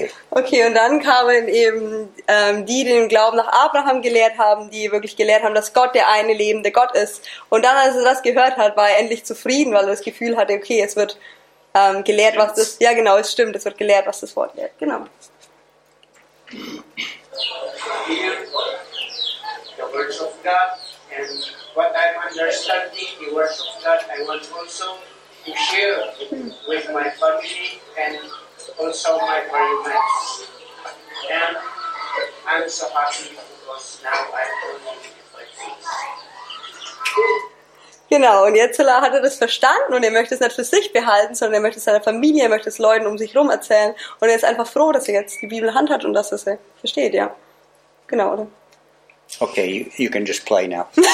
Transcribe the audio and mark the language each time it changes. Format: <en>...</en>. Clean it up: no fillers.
<de>Okay, und dann kamen eben die, die den Glauben nach Abraham gelehrt haben, die wirklich gelehrt haben, dass Gott der eine lebende Gott ist. Und dann, als er das gehört hat, war er endlich zufrieden, weil er das Gefühl hatte, okay, es wird gelehrt, was das... Ja, genau, es stimmt, es wird gelehrt, was das Wort lehrt. Genau.</de> <en>Here, the words of God, and what I'm understanding, the words of God, I want also to share with my family and also my parents, and I'm so happy because now I don't need to fight things.</en> <de>Genau, und jetzt hat er das verstanden und er möchte es nicht für sich behalten, sondern er möchte es seiner Familie, er möchte es Leuten um sich herum erzählen und er ist einfach froh, dass er jetzt die Bibel in Hand hat und dass er sie versteht, ja. Genau, oder?</de> <en>Okay, you can just play now.</en>